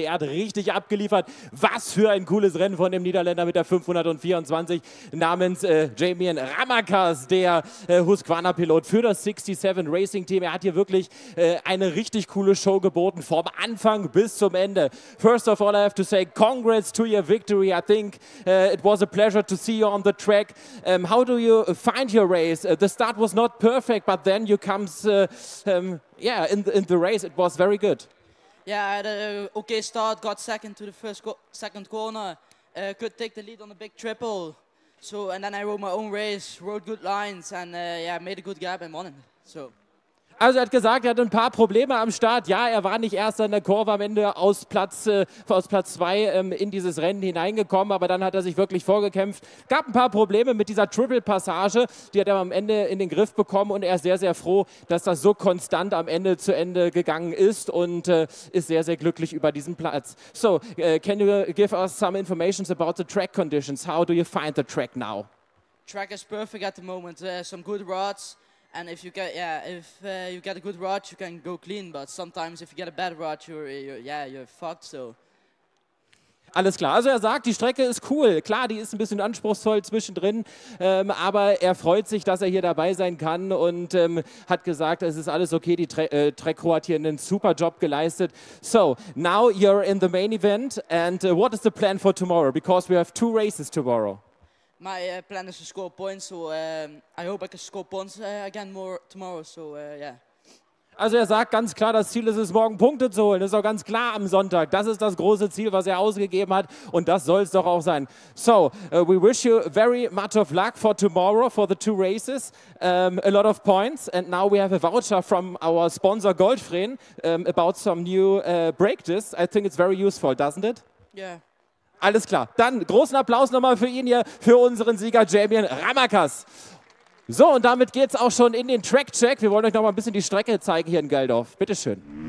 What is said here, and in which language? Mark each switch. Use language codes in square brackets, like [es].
[de] Er hat richtig abgeliefert. Was für ein cooles Rennen von dem Niederländer mit der 524 namens Jamien Ramakas, der Husqvarna-Pilot für das 67 Racing Team. Er hat hier wirklich eine richtig coole Show geboten, vom Anfang bis zum Ende. [en] First of all, I have to say congrats to your victory. I think it was a pleasure to see you on the track. How do you find your race? The start was not perfect, but then you come in the race it was very good. Yeah, I had a okay start, got second to the first second corner, could take the lead on the big triple, so, and then I rode my own race, rode good lines and made a good gap and won it. So, [de] also er hat gesagt, er hat ein paar Probleme am Start. Ja, er war nicht erst an der Kurve am Ende aus Platz 2 in dieses Rennen hineingekommen, aber dann hat er sich wirklich vorgekämpft. Gab ein paar Probleme mit dieser Triple-Passage, die hat er am Ende in den Griff bekommen und er ist sehr, sehr froh, dass das so konstant am Ende zu Ende gegangen ist und ist sehr, sehr glücklich über diesen Platz. [en] So, can you give us some information about the track conditions? How do you find the track now? Track is perfect at the moment. Some good rods. And if you get you get a good rod, you can go clean. But sometimes if you get a bad rod, you're fucked. So. [de] Alles klar. Also er sagt, die Strecke ist cool. Klar, die ist ein bisschen anspruchsvoll zwischendrin, aber er freut sich, dass er hier dabei sein kann und hat gesagt, es ist alles okay. Die Trek-Crew hat hier einen super Job geleistet. [en] So now you're in the main event. And what is the plan for tomorrow? Because we have two races tomorrow. My plan is to score points, so I hope I can score points again more tomorrow, so yeah. [de] Also er sagt ganz klar, das Ziel ist es, morgen Punkte zu holen. Das ist auch ganz klar am Sonntag. Das ist das große Ziel, was er ausgegeben hat und das soll es doch auch sein. [en] So, we wish you very much of luck for tomorrow, for the two races. A lot of points and now we have a voucher from our sponsor Goldfreen about some new brake discs. I think it's very useful, doesn't it? Yeah. [de] Alles klar. Dann großen Applaus nochmal für ihn hier, für unseren Sieger Jamien Ramakas. So, und damit geht's auch schon in den Track-Check. Wir wollen euch nochmal ein bisschen die Strecke zeigen hier in Geldorf. Bitteschön.